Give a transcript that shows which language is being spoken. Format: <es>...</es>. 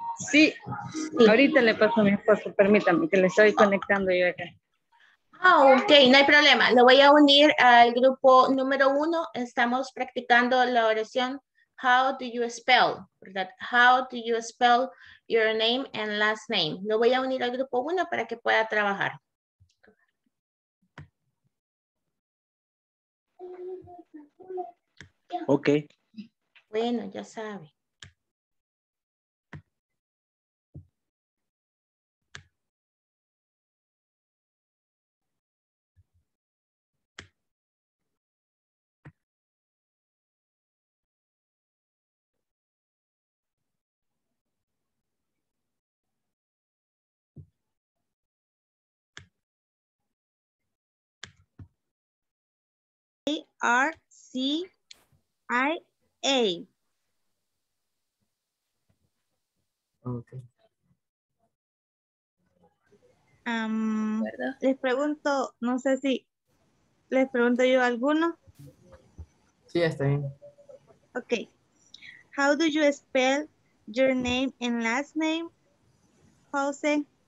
<es>Sí, ahorita le paso a mi esposo, permítame que le estoy conectando yo acá. Ah, ok, no hay problema. Lo voy a unir al grupo número uno. Estamos practicando la oración</es> <en>How do you spell?</en> <es>¿Verdad?</es> <en>How do you spell your name and last name?</en> <es>Lo voy a unir al grupo uno para que pueda trabajar. Ok. Bueno, ya sabe. A-R-C-I-A. Okay. Les pregunto, no sé si les pregunto yo alguno. Sí, está bien. Okay.</es> <en>How do you spell your name and last name, Jose?</en>